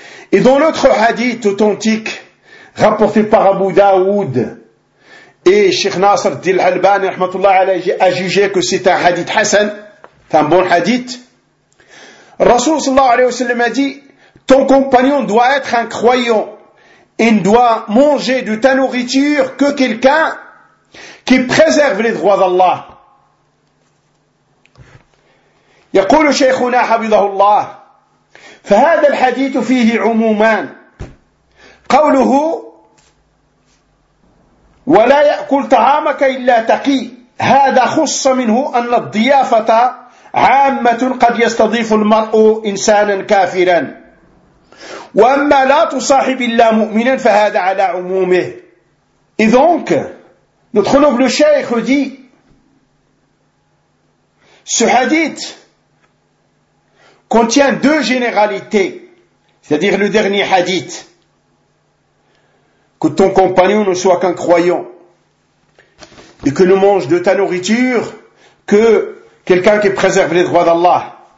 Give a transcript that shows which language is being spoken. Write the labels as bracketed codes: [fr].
[fr] Et dans l'autre hadith authentique, rapporté par Abu Daoud, et Cheikh Nasr Dil Halbani, rahmatullah alayhi, a jugé que c'est un hadith hassan, c'est un bon hadith. Rasoul sallallahu alayhi wa sallam a dit, ton compagnon doit être un croyant, et ne doit manger de ta nourriture que quelqu'un qui préserve les droits d'Allah. [ar] يقول شيخنا حفظه الله فهذا الحديث فيه عمومان قوله ولا يأكل طعامك إلا تقي. هذا خص منه أن الضيافة عامة قد يستضيف المرء إنسانا كافرا. وأما لا تصاحب إلا مؤمنا فهذا على عمومه. إذنك ندخل في الشيخ دي سحديث [fr] contient deux généralités, c'est-à-dire le dernier hadith, que ton compagnon ne soit qu'un croyant, et que ne mange de ta nourriture que quelqu'un qui préserve les droits d'Allah.